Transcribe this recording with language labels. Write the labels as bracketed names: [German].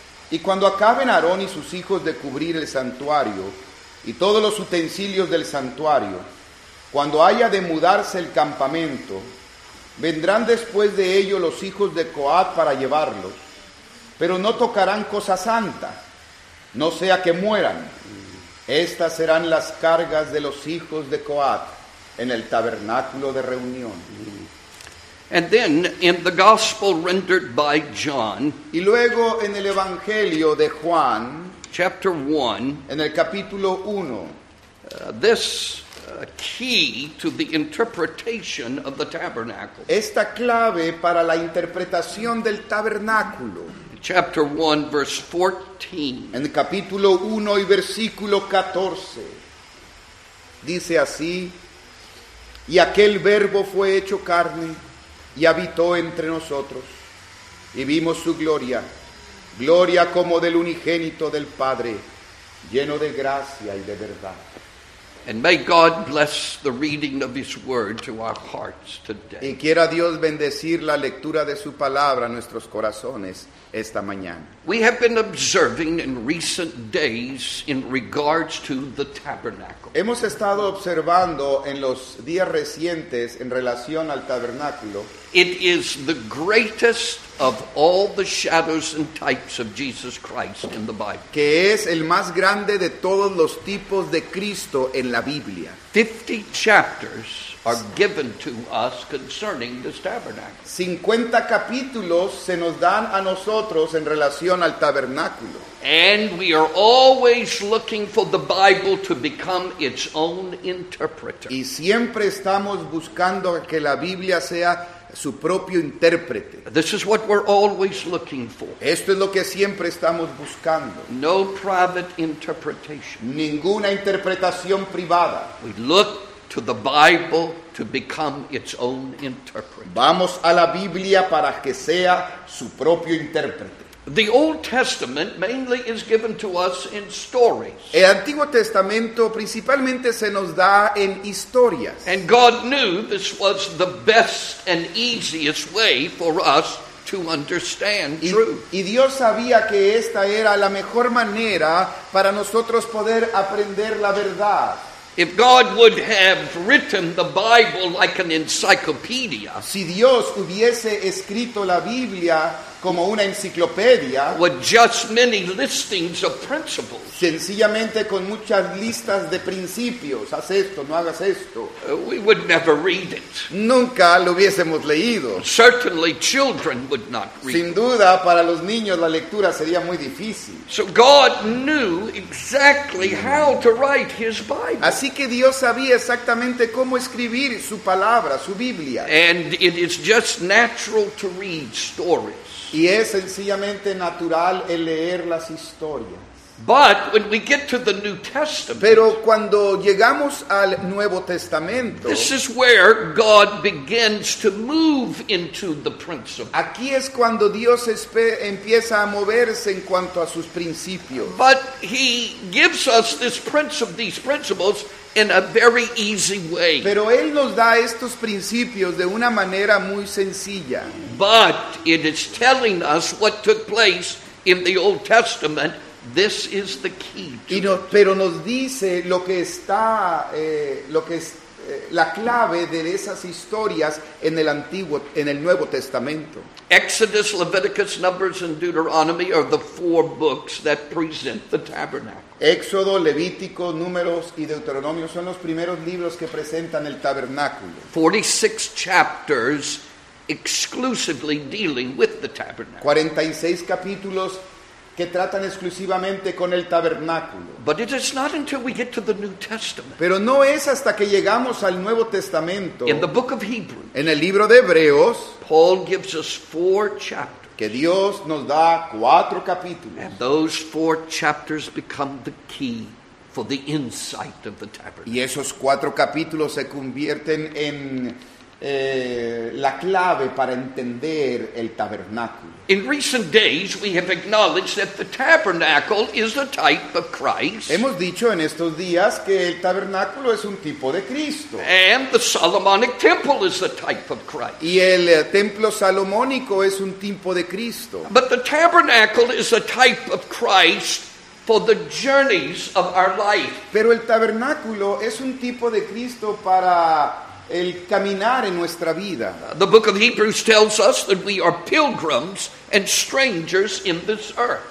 [Spanish] Y cuando acaben Aarón y sus hijos de cubrir el santuario y todos los utensilios del santuario, cuando haya de mudarse el campamento, vendrán después de ello los hijos de Coat para llevarlos, pero no tocarán cosa santa, no sea que mueran. Estas serán las cargas de los hijos de Coat en el tabernáculo de reunión. [English] And then in the gospel rendered by John, [Spanish] y luego en el evangelio de Juan, [English] chapter 1, [Spanish] en el capítulo 1, [English] this key to the interpretation of the tabernacle. [Spanish] Esta clave para la interpretación del tabernáculo. [English] Chapter 1 verse 14. [Spanish] En el capítulo 1 y versículo 14. Dice así: Y aquel verbo fue hecho carne y habitó entre nosotros, y vimos su gloria, gloria como del unigénito del Padre, lleno de gracia y de verdad. [English] And may God bless the reading of His word to our hearts today. [Spanish] Y quiera Dios bendecir la lectura de su palabra a nuestros corazones esta mañana. [English] We have been observing in recent days in regards to the tabernacle. [Spanish] Hemos estado observando en los días recientes en relación al tabernáculo. [English] It is the greatest of all the shadows and types of Jesus Christ in the Bible. [Spanish] Que es el más grande de todos los tipos de Cristo en la Biblia. [English] 50 chapters are given to us concerning this tabernacle. [Spanish] 50 capítulos se nos dan a nosotros en relación al tabernáculo. [English] And we are always looking for the Bible to become its own interpreter. [Spanish] Y siempre estamos buscando que la Biblia sea su propio intérprete. [English] This is what we're always looking for. [Spanish] Esto es lo que siempre estamos buscando. [English] No private interpretation. [Spanish] Ninguna interpretación privada. [English] We look to the Bible to become its own interpreter. [Spanish] Vamos a la Biblia para que sea su propio intérprete. [English] The Old Testament mainly is given to us in stories. [Spanish] El Antiguo Testamento principalmente se nos da en historias. [English] And God knew this was the best and easiest way for us to understand truth. [Spanish] Y Dios sabía que esta era la mejor manera para nosotros poder aprender la verdad. [English] If God would have written the Bible like an encyclopedia, [Spanish] si Dios hubiese escrito la Biblia como una enciclopedia, [English] with just many listings of principles, [Spanish] sencillamente con muchas listas de principios, haz esto, no hagas esto, [English] we would never read it. [Spanish] Nunca lo hubiésemos leído. [English] Certainly children would not read it. [Spanish] Sin duda, para los niños la lectura sería muy difícil. [English] So God knew exactly how to write his Bible. [Spanish] Así que Dios sabía exactamente cómo escribir su palabra, su Biblia. [English] And it is just natural to read stories. [Spanish] Y es sencillamente natural el leer las historias. [English] But when we get to the New Testament, [Spanish] pero cuando llegamos al Nuevo Testamento, [English] this is where God begins to move into the principles. [Spanish] Aquí es cuando Dios empieza a moverse en cuanto a sus principios. [English] But he gives us this these principles in a very easy way. [Spanish] Pero él nos da estos principios de una manera muy sencilla. [English] But it is telling us what took place in the Old Testament. This is the key to [Spanish] y no, [English] it. [Spanish] Pero nos dice lo que está, lo que es la clave de esas historias en el Antiguo, en el Nuevo Testamento. [English] Exodus, Leviticus, Numbers, and Deuteronomy are the four books that present the tabernacle. [Spanish] Éxodo, Levítico, Números y Deuteronomio son los primeros libros que presentan el tabernáculo. [English] 46 chapters exclusively dealing with the tabernacle. [Spanish] 46 capítulos que tratan exclusivamente con el tabernáculo. [English] But it is not until we get to the New Testament. [Spanish] Pero no es hasta que llegamos al Nuevo Testamento. [English] In the book of Hebrews, [Spanish] en el libro de Hebreos, [English] Paul gives us four chapters. [Spanish] Que Dios nos da cuatro capítulos. [English] And those four chapters become the key for the insight of the tabernacle. [Spanish] Y esos cuatro capítulos se convierten en la clave para entender el tabernáculo. [English] In recent days, we have acknowledged that the tabernacle is a type of Christ. [Spanish] Hemos dicho en estos días que el tabernáculo es un tipo de Cristo. [English] And the Solomonic Temple is a type of Christ. [Spanish] Y el templo salomónico es un tipo de Cristo. [English] But the tabernacle is a type of Christ for the journeys of our life. [Spanish] Pero el tabernáculo es un tipo de Cristo para el caminar en nuestra vida. [English] The book of Hebrews tells us that we are pilgrims and strangers in this earth.